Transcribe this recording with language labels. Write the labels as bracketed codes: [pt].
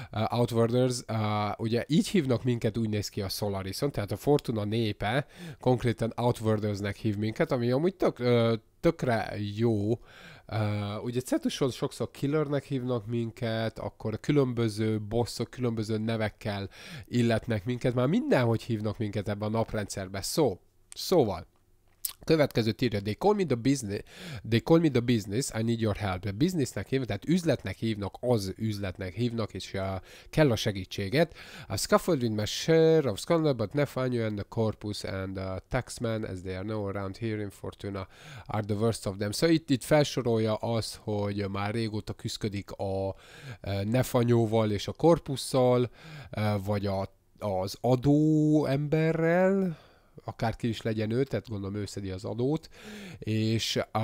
[hu] outworders, ugye így hívnak minket, úgy néz ki a Solarison, tehát a Fortuna népe konkrétan outwordersnek hív minket, ami amúgy tökre jó, ugye Cetuson sokszor killernek hívnak minket, akkor különböző bosszok, különböző nevekkel illetnek minket, már mindenhogy hívnak minket ebben a naprendszerben, szóval. Következő írja, [en] they call me the business, I need your help. [hu] A businessnek hívnak, tehát üzletnek hívnak, az üzletnek hívnak, és kell a segítséget. [en] A scaffolding my share of scandal, but Nathaniel and the corpus and the taxman, as they are now around here in Fortuna, are the worst of them. [hu] Szóval itt felsorolja az, hogy már régóta küszködik a Nathaniel-val és a corpusszal, vagy az adó emberrel, akárki is legyen ő, tehát gondolom ő szedi az adót, és